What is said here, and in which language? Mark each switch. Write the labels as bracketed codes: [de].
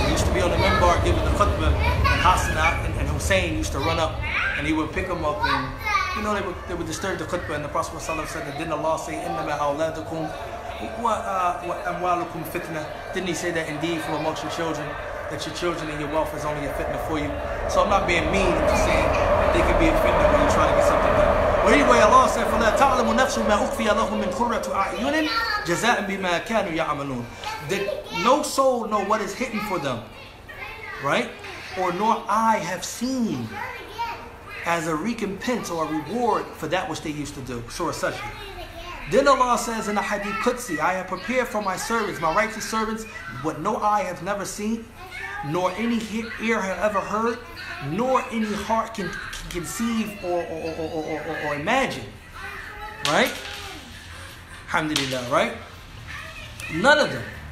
[en] He used to be on the minbar giving the khutbah, and Hasna and Hussein used to run up and he would pick them up and, you know, they would disturb the khutbah, and the Prophet Sallallahu Alaihi Wasallam said, didn't Allah say, [ar] innama awladukum wa amwalukum fitna? [en] Didn't he say that indeed from amongst your children, that your children and your wealth is only a fitna for you? So I'm not being mean, I'm just saying that they could be a fitna when you're trying to get something done. But anyway, Allah said, [ar] فَلَا تَعْلَمُ نَفْسُ مَا أُخْفِيَ لَهُمْ مِنْ خُرَّةُ أَعْيُنٍ جَزَاءً بِمَا كَانُوا يَعْمَلُونَ. [en] Did no soul know what is hidden for them, right? Or nor I have seen as a recompense or a reward for that which they used to do. Surah Sajda. Then Allah says in the Hadith Qudsi, I have prepared for my servants, my righteous servants, what no eye has never seen, nor any ear have ever heard, nor any heart can conceive or imagine, right? Alhamdulillah, right? None of them.